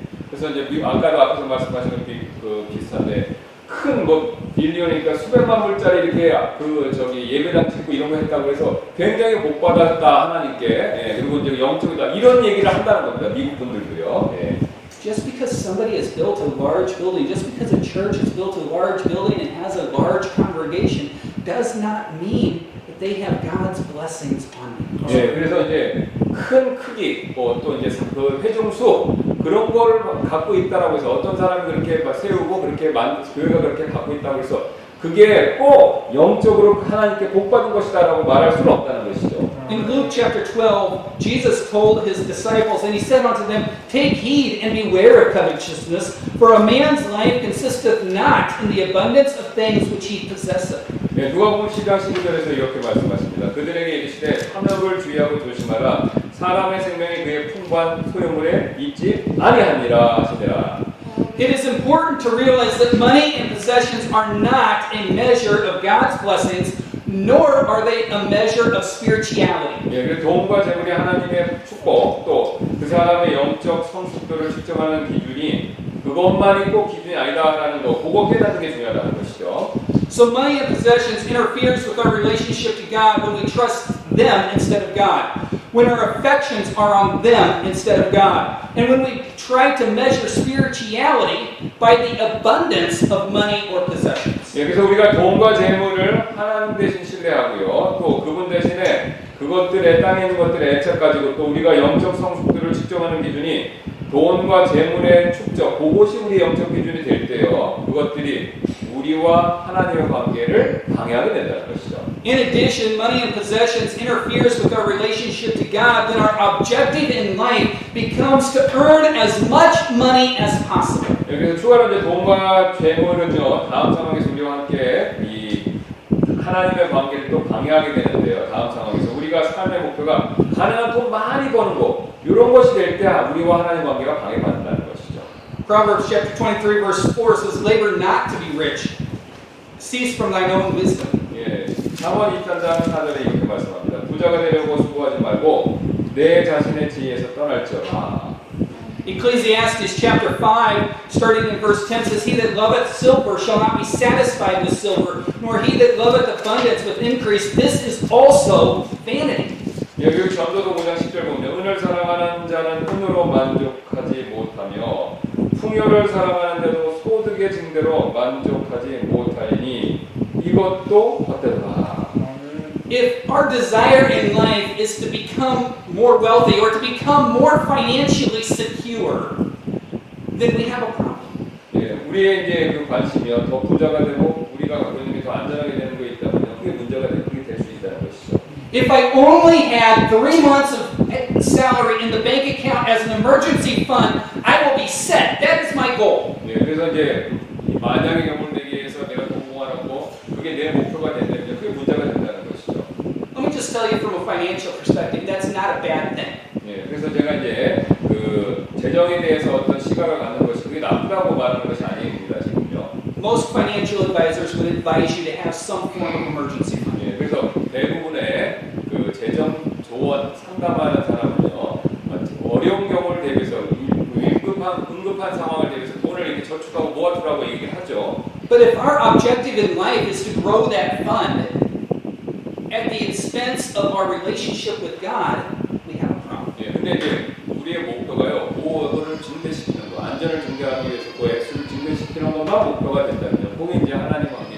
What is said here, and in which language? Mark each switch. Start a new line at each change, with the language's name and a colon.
Korean: 그래서 이제 아까도 앞에서 말씀하신 게 그 비슷한데 큰 뭐 빌리언이니까 수백만 불짜리 이렇게 그 저기 예배당 짓고 이런 거 했다고 해서 굉장히 복 받았다 하나님께 예, 그리고 이제 영적이다 이런 얘기를 한다는 겁니다 미국 분들도요. 예.
English: Just because somebody has built a large building, just because a church has built a large building and has a large congregation, does not mean that they have God's blessings on them.
Korean: 예, 그래서 이제 큰 크기, 뭐 또 이제 그 회중수 그런 걸 갖고 있다라고 해서 어떤 사람이 그렇게 막 세우고 그렇게 교회가 그렇게 갖고 있다고 해서 그게 꼭 영적으로 하나님께 복받은 것이다라고 말할 수는 없다는 것이죠.
English: In Luke chapter 12, Jesus told his disciples, and he said unto them, Take heed and beware of covetousness, for a man's life consisteth not in the abundance of things which he possesseth.
Korean: 예, 누가복음 12장 12절에서 이렇게 말씀하십니다. 그들에게 이르시되 탐욕을 주의하고 조심하라. 사람의 생명이 그의 풍부한 소유물에 있지 아니하니라 하시더라.
English: It is important to realize that money and possessions are not a measure of God's blessings, nor are they a measure of spirituality.
Korean: 예, 그 돈과 재물이 하나님의 축복 또 그 사람의 영적 성숙도를 측정하는 기준이 그것만이 꼭 기준이 아니다라는 거, 그거 깨닫는 게 중요하다는 것이죠.
English: So money and possessions interferes with our relationship to God when we trust them instead of God, when our affections are on them instead of God, and when we try to measure spirituality by the abundance of money or possessions.
Korean: 예, 그래서 우리가 돈과 재물을 하나님 대신 신뢰하고요, 또 그분 대신에 그것들에 땅에 있는 것들에 애착 가지고 또 우리가 영적 성숙들을 측정하는 기준이 돈과 재물의 축적, 그것이 우리의 영적 기준이 될 때요, 그것들이 우리와 하나님의 관계를 방해하게 된다는 것이죠.
English: In addition, money and possessions interferes with our relationship to God, then our objective in life becomes to earn as much money as possible.
Korean: 여기서 추가로 이제 돈과 재물은요, 다음 상황에서 우리와 함께 이 하나님의 관계를 또 방해하게 되는데요, 다음 상황에서 우리가 삶의 목표가 가능한 돈 많이 버는 거, 이런 것이 될 때 우리와 하나님의 관계가 방해받는다는 것이죠.
English: Proverbs chapter 23 verse 4 says, Labor not to be rich. Cease from thine own wisdom.
Korean: 예, 잠언 2장 4절에 이렇게 말씀합니다. 부자가 되려고 수고하지 말고 내 자신의 지혜에서 떠날지어다.
English: Ecclesiastes chapter 5 starting in verse 10 says, He that loveth silver shall not be satisfied with silver, nor he that loveth abundance with increase. This is also vanity.
Korean: 예, 그리고 전도서 5장 10절 보면 은을 사랑하는 자는 은으로 만족하지 못하며 풍요를 사랑하는 자도 소득의 증대로 만족하지 못하니 이것도 헛되도다.
English: If our desire in life is to become more wealthy or to become more financially secure, then we have a problem.
Korean: 예, 우리의 이제 그 관심이요 더 부자가 되고 우리가 갖고 있는 게 더 안전하게 되는 거 있다면 그게 문제가 되고 그게 될 수 있다는 것이죠.
English: If I only had 3 months of salary in the bank account as an emergency fund, I will be set. That is my goal.
Korean: 예, 그래서 이제 만약에 경험되기 위해서 내가 공부하라고 그게 내 목표가 된다면 그게 문제가 된다는 것이죠.
English: Let me just tell you from a financial perspective, that's not a bad thing.
Korean: 예, 그래서 제가 이제 그 재정에 대해서 어떤 시각을 갖는 것이 그게 나쁘다고 말하는 것이 아닙니다, 지금요.
English: Most financial advisors would advise you to have some form of emergency fund.
Korean: 대부분의 그 재정 조언 상담하는 사람은요 어려운 경우를 대비해서 응급한 상황을 대비해서 돈을 이렇게 저축하고 모아두라고 얘기하죠.
English: But if our objective in life is to grow that fund at the expense of our relationship with God, we have a problem.
Korean: 예, 근데 이제 우리의 목표가요 보호를 증대시키는 거, 안전을 증대하기 위해서 그 액수를 증대시키는 것만 목표가 된다면 그게 이제 하나님과